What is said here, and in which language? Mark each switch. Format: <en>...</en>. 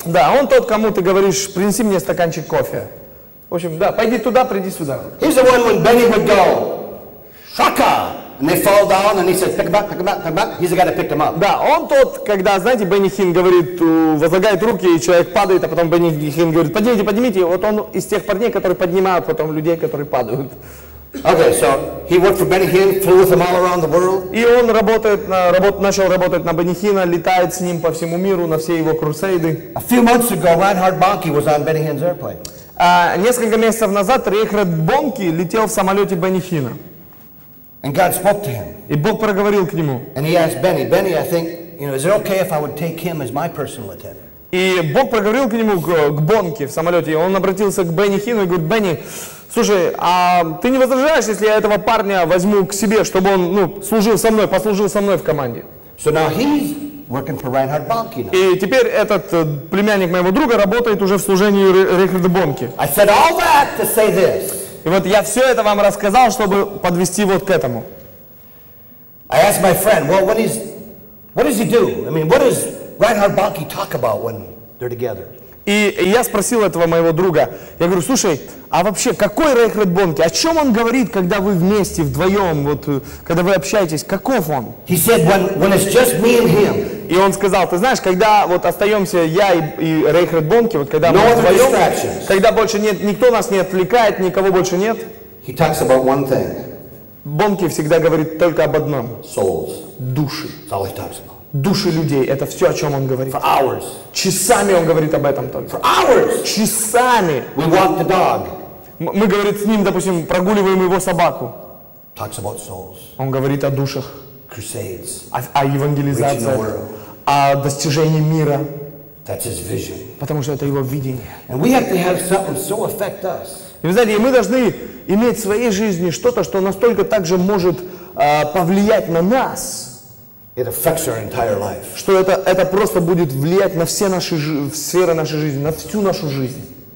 <ru>Да, он тот, кому ты говоришь, принеси мне стаканчик кофе. В общем, да, пойди туда, приди сюда.</ru> <en>He's the one when Benny would go, Shaka! And they fall down and he says, pick them up. He's the guy that picked them up.</en> <ru>Да, он тот, когда, знаете, Бенни Хинн говорит, возлагает руки, и человек падает, а потом Бенни Хинн говорит, поднимите. Вот он из тех парней, которые поднимают потом людей, которые падают.</ru> <en>Okay, so he worked for Benny Hinn, flew with him all around the world.</en> <ru>И он начал работать на Бенни Хинна, летает с ним по всему миру на все его крусейды.</ru> <en>A few months ago, Reinhard Bonnke was on Benny Hinn's airplane.</en> <ru>Несколько месяцев назад Рейнхард Бонке летел в самолете Бенни Хинна.</ru> <en>And God spoke to him.</en> <ru>И Бог проговорил к нему.</ru> <en>And he asked Benny, I think, you know, is it okay if I would take him as my personal attendant?</en> <ru>И Бог проговорил к нему, к Бонке в самолете, и он обратился к Бенни Хинну и говорит, Бенни, Слушай, а ты не возражаешь, если я этого парня возьму к себе, чтобы он, ну, служил со мной, послужил со мной в команде?</ru> <en>So now he's working for Reinhard Bonnke now.</en> <ru>И теперь этот племянник моего друга работает уже в служении Рейнхарда Бонке.</ru> <en>I said all that to say this.</en> <ru>И вот я все это вам рассказал, чтобы подвести вот к этому.</ru> <en>I asked my friend, well, what does he do? I mean, what does Reinhard Bonnke talk about when they're together?</en> <ru>И я спросил этого моего друга, я говорю, слушай, а вообще, какой Рейнхард Бонке? О чем он говорит, когда вы вместе, вдвоем, вот, когда вы общаетесь, каков он?</ru> <en>He said, when it's just me and him.</en> <ru>И он сказал, ты знаешь, когда вот остаемся я и Рейнхард Бонке, вот когда</ru> <en>no</en> <ru>мы вдвоем, когда больше нет, никто нас не отвлекает, никого больше нет.</ru> <en>He talks about one thing.</en> <ru>Бонке всегда говорит только об одном.</ru> <en>Souls.</en> <ru>Души.</ru> <en>That's all he talks about.</en> <ru>Души людей, это все, о чем он говорит.</ru> <en>For hours.</en> <ru>Часами он говорит об этом только.</ru> <en>For hours.</en> <ru>Часами.</ru> <en>We walk the dog.</en> <ru>Мы, говорит, с ним, допустим, прогуливаем его собаку.</ru> <en>Talks about souls.</en> <ru>Он говорит о душах.</ru> <en>Crusades.</en> <ru>О евангелизации.</ru> <en>Reaching the world.</en> <ru>О достижении мира.</ru> <en>That's his vision.</en> <ru>Потому что это его видение.</ru> <en>And we have to have something so affect us.</en> <ru>И вы знаете, и мы должны иметь в своей жизни что-то, что настолько также может повлиять на нас.</ru> <en>It affects our entire life.</en> <ru>Что это просто будет влиять на все наши сферы нашей жизни, на всю нашу жизнь.</ru>